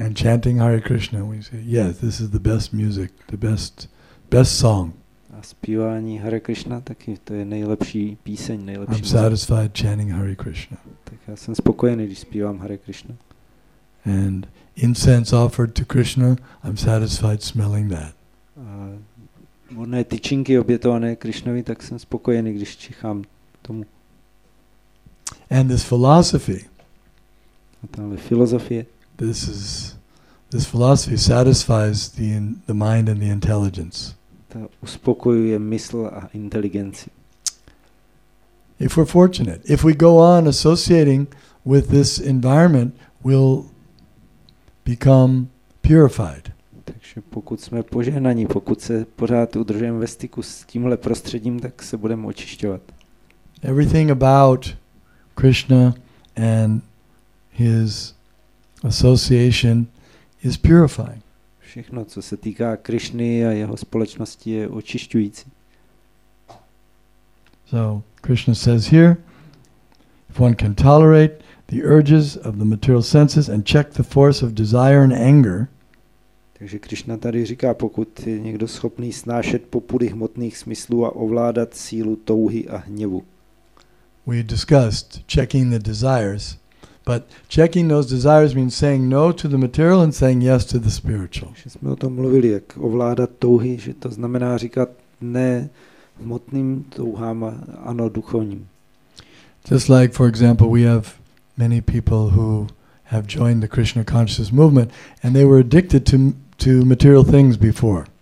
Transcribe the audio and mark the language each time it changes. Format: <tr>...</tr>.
<en>And chanting Hare Krishna, we say, yes, this is the best music, the best song.</en> <cs>A zpívání Hare Krishna, taky to je nejlepší píseň, nejlepší.</cs> <en>I'm satisfied chanting Hare Krishna.</en> <cs>Tak já jsem spokojený, když zpívám Hare Krishna.</cs> <en>And incense offered to Krishna, I'm satisfied smelling that.</en> <cs>Vonné tyčinky obětované Krišnovi, tak jsem spokojený, když čichám tomu.</cs> <en>And this philosophy.</en> <cs>A tahle filozofie.</cs> <en>This philosophy satisfies the mind and the intelligence.</en> <cs>Ta uspokojuje mysl a inteligenci.</cs> <en>If we're fortunate, if we go on associating with this environment, we'll become purified.</en> <cs>Takže pokud jsme požehnaní, pokud se pořád udržujeme ve styku s tímhle prostředím, tak se budeme očišťovat.</cs> <en>Everything about Krishna and his association is purifying.</en> <cs>Všechno, co se týká Krišny a jeho společnosti, je očišťující.</cs> <en>So Krishna says here, if one can tolerate the urges of the material senses and check the force of desire and anger.</en> <cs>Takže Krishna tady říká, pokud je někdo schopný snášet popudy hmotných smyslů a ovládat sílu touhy a hněvu.</cs> <en>We discussed checking the desires, but checking those desires means saying no to the material and saying yes to the spiritual.</en> <cs>Takže jsme o tom mluvili, jak ovládat touhy, že to znamená říkat ne hmotným touhám, ano duchovním.</cs> <en>Just like, for example, we have many people who have joined the Krishna consciousness movement and they were addicted to material things before.</en>